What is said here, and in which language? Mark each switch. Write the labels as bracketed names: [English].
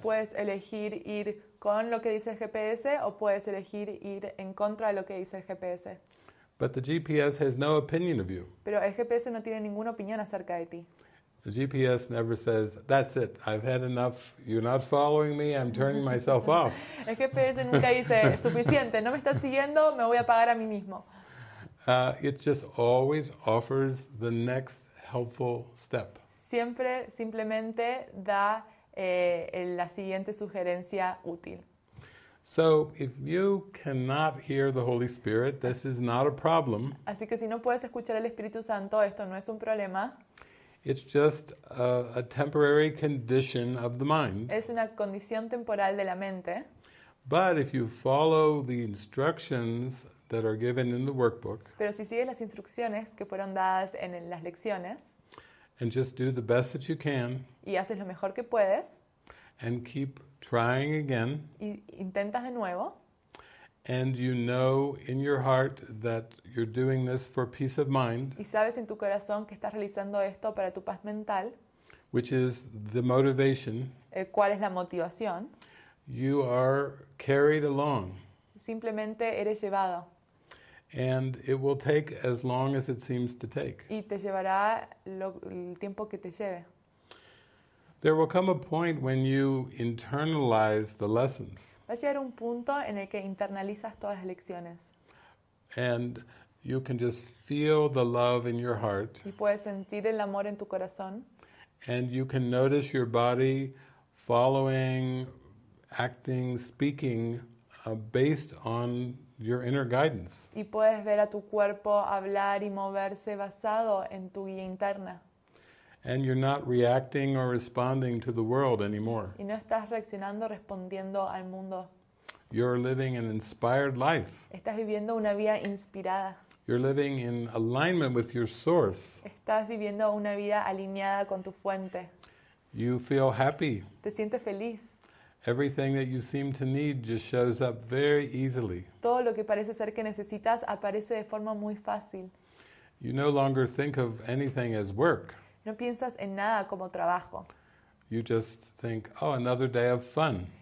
[Spanish] Puedes elegir ir con lo que dice el GPS o puedes elegir ir en contra de lo que dice el GPS. [English] But the GPS has no opinion of you. [Spanish] Pero el GPS no tiene ninguna opinión acerca de ti. [English] The GPS never says, that's it, I've had enough, you're not following me, I'm turning myself off. [Spanish] El GPS nunca dice, suficiente, no me estás siguiendo, me voy a apagar a mí mismo. [English] It just always offers the next helpful step. [Spanish] Siempre, simplemente da la siguiente sugerencia útil. [English] So if you cannot hear the Holy Spirit, this is not a problem. [Spanish] Así que si no puedes escuchar al Espíritu Santo, esto no es un problema. [English] It's just a temporary condition of the mind. [Spanish] Es una condición temporal de la mente. [English] But if you follow the instructions that are given in the workbook, [Spanish] pero si sigues las instrucciones que fueron dadas en las lecciones, [English] and just do the best that you can, [Spanish] y haces lo mejor que puedes, [English] and keep trying again, [Spanish] y intentas de nuevo, [English] and you know in your heart that you're doing this for peace of mind, [Spanish] y sabes en tu corazón que estás realizando esto para tu paz mental, [English] which is the motivation, [Spanish] ¿cuál es la motivación? [English] You are carried along. [Spanish] Simplemente eres llevado. [English] And it will take as long as it seems to take. [Spanish] Y te llevará el tiempo que te lleve. [English] There will come a point when you internalize the lessons. [Spanish] Va a llegar un punto en el que internalizas todas las lecciones. [English] And you can just feel the love in your heart. [Spanish] Y puedes sentir el amor en tu corazón. [English] And you can notice your body following, acting, speaking, based on your inner guidance. [Spanish] Y puedes ver a tu cuerpo hablar y moverse basado en tu guía interna. [English] And you're not reacting or responding to the world anymore. [Spanish] Y no estás reaccionando, respondiendo al mundo. [English] You're living an inspired life. [Spanish] Estás viviendo una vida inspirada. [English] You're living in alignment with your source. [Spanish] Estás viviendo una vida alineada con tu fuente. [English] You feel happy. [Spanish] Te sientes feliz. [English] Everything that you seem to need just shows up very easily. [Spanish] Todo lo que parece ser que necesitas aparece de forma muy fácil. [English] You no longer think of anything as work. [Spanish] No piensas en nada como trabajo. [English] You just think, oh, another day of fun.